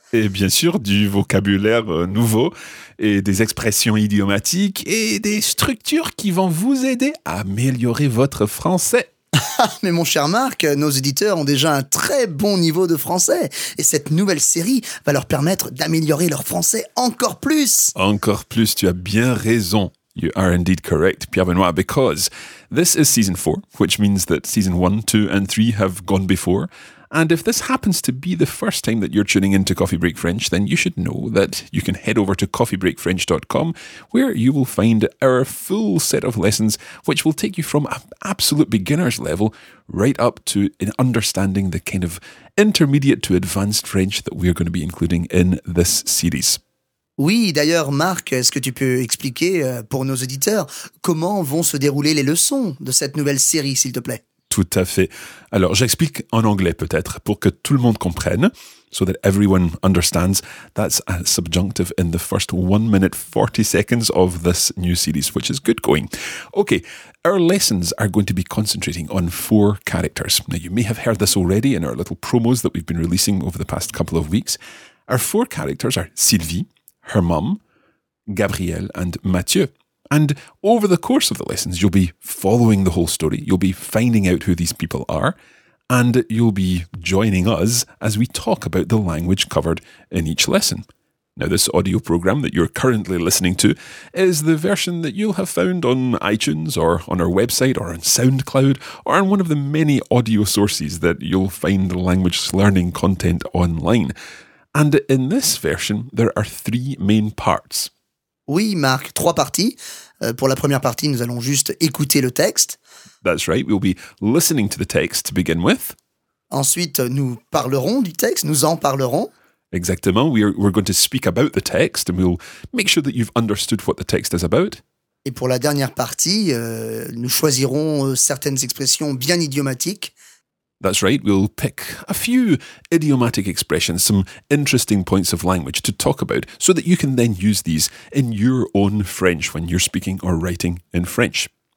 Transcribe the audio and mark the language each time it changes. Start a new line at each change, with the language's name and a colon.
French: Et bien sûr, du vocabulaire nouveau et des expressions idiomatiques et des structures qui vont vous aider à améliorer votre français. Mais mon cher Marc, nos auditeurs ont déjà un très bon niveau de français et cette nouvelle série va leur permettre d'améliorer leur français encore plus. Encore plus, tu as bien raison.
English: You are indeed correct, Pierre Benoît, because this is season 4, which means that season 1, 2 and 3 have gone before. And if this happens to be the first time that you're tuning into Coffee Break French, then you should know that you can head over to coffeebreakfrench.com, where you will find our full set of lessons, which will take you from an absolute beginner's level right up to an understanding the kind of intermediate to advanced French that we're going to be including in this series.
French: Oui, d'ailleurs, Marc, est-ce que tu peux expliquer pour nos auditeurs comment vont se dérouler les leçons de cette nouvelle série, s'il te plaît? Tout à fait. Alors, j'explique en anglais peut-être pour que tout le monde comprenne.
English: So that everyone understands, that's a subjunctive in the first 1 minute 40 seconds of this new series, which is good going. Okay, our lessons are going to be concentrating on 4 characters. Now, you may have heard this already in our little promos that we've been releasing over the past couple of weeks. Our 4 characters are Sylvie, her mum, Gabrielle and Mathieu. And over the course of the lessons, you'll be following the whole story. You'll be finding out who these people are. And you'll be joining us as we talk about the language covered in each lesson. Now, this audio program that you're currently listening to is the version that you'll have found on iTunes or on our website or on SoundCloud or on one of the many audio sources that you'll find language learning content online. And in this version, there are 3 main parts.
French: Oui, Marc, 3 parties. Pour la première partie, nous allons juste écouter le texte.
English: That's right, we'll be listening to the text to begin with.
French: Ensuite, nous parlerons du texte, nous en parlerons.
English: Exactement, we're going to speak about the text and we'll make sure that you've understood what the text is about.
French: Et pour la dernière partie, nous choisirons certaines expressions bien idiomatiques.
English: That's right, we'll pick a few idiomatic expressions, some interesting points of language to talk about, so that you can then use these in your own French when you're speaking or writing in French.